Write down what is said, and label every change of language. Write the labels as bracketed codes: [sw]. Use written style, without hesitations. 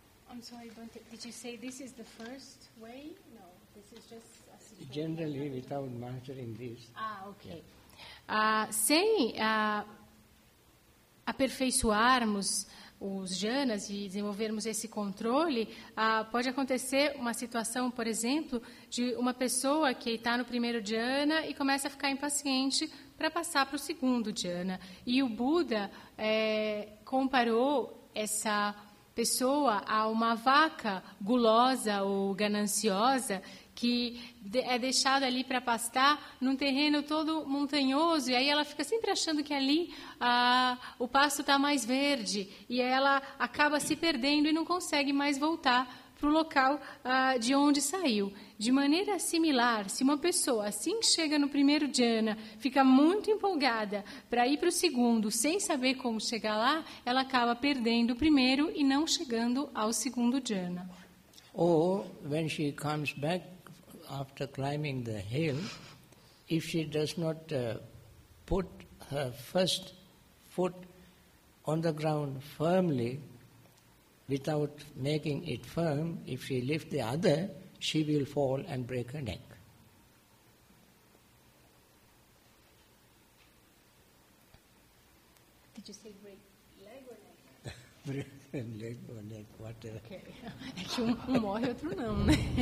[en] I'm sorry, Bhante, did you say this is the first way? No, this is just a situation. Generally, without mastering this. Ah, okay. Yeah. [pt] Sem aperfeiçoarmos os jhanas e desenvolvermos esse controle, pode acontecer uma situação, por exemplo, de uma pessoa que está no primeiro jhana e começa a ficar impaciente para passar para o segundo jhana. E o Buda comparou essa pessoa a uma vaca gulosa ou gananciosa que é deixado ali para pastar num terreno todo montanhoso, e aí ela fica sempre achando que ali o pasto está mais verde, e ela acaba se perdendo e não consegue mais voltar para o local de onde saiu. De maneira similar, se uma pessoa, assim que chega no primeiro jhana, fica muito empolgada para ir para o segundo, sem saber como chegar lá, ela acaba perdendo o primeiro e não chegando ao segundo jhana. [en] Ou, when she comes back, after climbing the hill, if she does not put her first foot on the ground firmly, without making it firm, if she lifts the other, she will fall and break her neck. Did you say break leg or neck? Leg or neck, whatever. [pt] Okay. É que um morre, outro não, né?